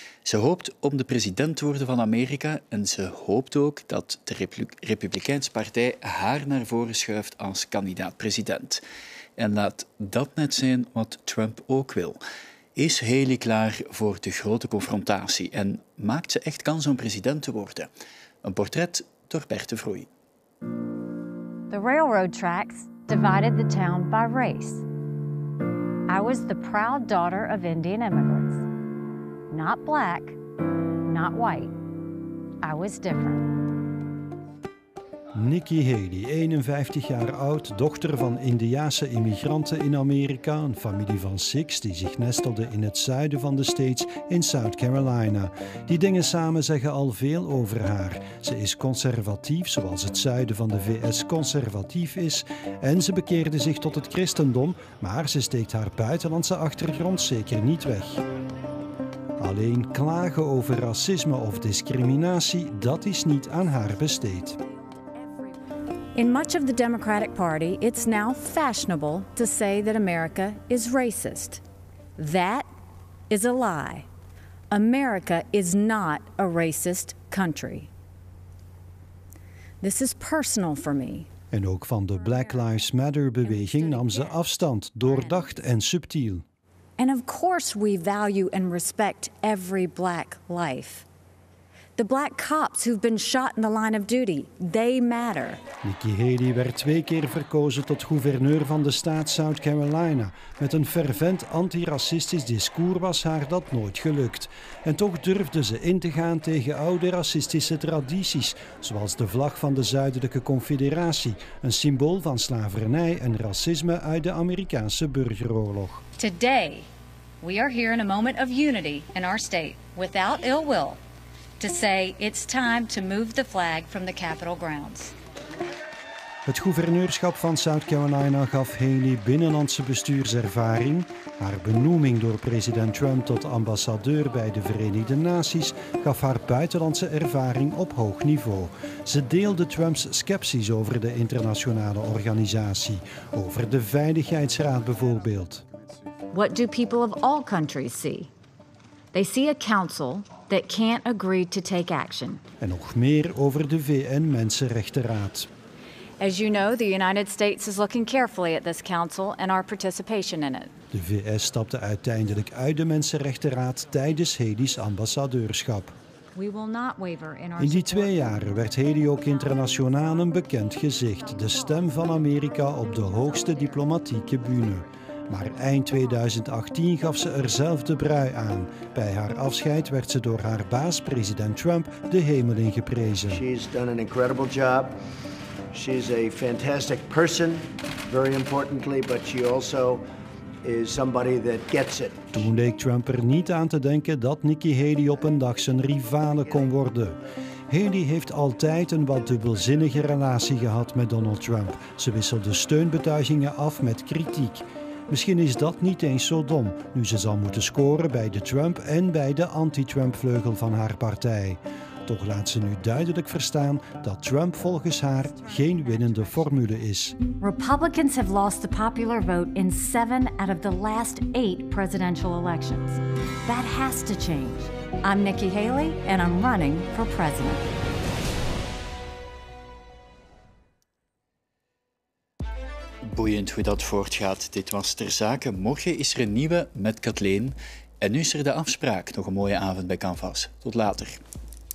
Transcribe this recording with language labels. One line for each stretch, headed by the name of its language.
Dutch: Ze hoopt om de president te worden van Amerika en ze hoopt ook dat de Republikeinse Partij haar naar voren schuift als kandidaat-president. En laat dat net zijn wat Trump ook wil. Is Haley klaar voor de grote confrontatie en maakt ze echt kans om president te worden? Een portret door Bert de Vroei.
English: The railroad tracks divided the town by race. I was the proud daughter of Indian immigrants. Not black, not white. I was different.
Dutch: Nikki Haley, 51 jaar oud, dochter van Indiase immigranten in Amerika, een familie van Sikhs die zich nestelde in het zuiden van de States in South Carolina. Die dingen samen zeggen al veel over haar. Ze is conservatief, zoals het zuiden van de VS conservatief is, en ze bekeerde zich tot het christendom, maar ze steekt haar buitenlandse achtergrond zeker niet weg. Alleen klagen over racisme of discriminatie, dat is niet aan haar besteed.
English: In much of the Democratic Party, it's now fashionable to say that America is racist. That is a lie. America is not a racist country. This is personal for me.
Dutch: En ook van de Black Lives Matter-beweging nam ze afstand, doordacht en subtiel.
English: And of course we value and respect every black life. The black cops who've been shot in the line of duty, they matter.
Dutch: Nikki Haley werd twee keer verkozen tot gouverneur van de staat South Carolina. Met een fervent antiracistisch discours was haar dat nooit gelukt. En toch durfde ze in te gaan tegen oude racistische tradities, zoals de vlag van de Zuidelijke Confederatie, een symbool van slavernij en racisme uit de Amerikaanse burgeroorlog.
English: Today, we are here in a moment of unity in our state, without ill will. To say it's time to move the flag from the Capitol grounds.
Dutch: Het gouverneurschap van South Carolina gaf Haley binnenlandse bestuurservaring. Haar benoeming door president Trump tot ambassadeur bij de Verenigde Naties gaf haar buitenlandse ervaring op hoog niveau. Ze deelde Trumps scepties over de internationale organisatie, over de Veiligheidsraad bijvoorbeeld.
English: What do people of all countries see? They see a council that can't agree to take action.
Dutch: En nog meer over de VN Mensenrechtenraad.
English: As you know, the United States is looking carefully at this council and our participation in it.
Dutch: De VS stapte uiteindelijk uit de Mensenrechtenraad tijdens Haley's ambassadeurschap.
English: We will not waver in our.
Dutch: In die twee jaren werd Haley ook internationaal een bekend gezicht, de stem van Amerika op de hoogste diplomatieke bühne. Maar eind 2018 gaf ze er zelf de brui aan. Bij haar afscheid werd ze door haar baas, president Trump, de hemel in geprezen.
English: She's done an incredible job. She's a fantastic person, very importantly, but she also is somebody that gets it.
Dutch: Toen leek Trump er niet aan te denken dat Nikki Haley op een dag zijn rivale kon worden. Haley heeft altijd een wat dubbelzinnige relatie gehad met Donald Trump. Ze wisselde steunbetuigingen af met kritiek. Misschien is dat niet eens zo dom, nu ze zal moeten scoren bij de Trump en bij de anti-Trump-vleugel van haar partij. Toch laat ze nu duidelijk verstaan dat Trump volgens haar geen winnende formule is.
English: Republicans have lost the popular vote in 7 out of the last 8 presidential elections. That has to change. I'm Nikki Haley and I'm running for president.
Dutch: Boeiend hoe dat voortgaat. Dit was Ter Zake. Morgen is er een nieuwe met Kathleen. En nu is er de afspraak. Nog een mooie avond bij Canvas. Tot later.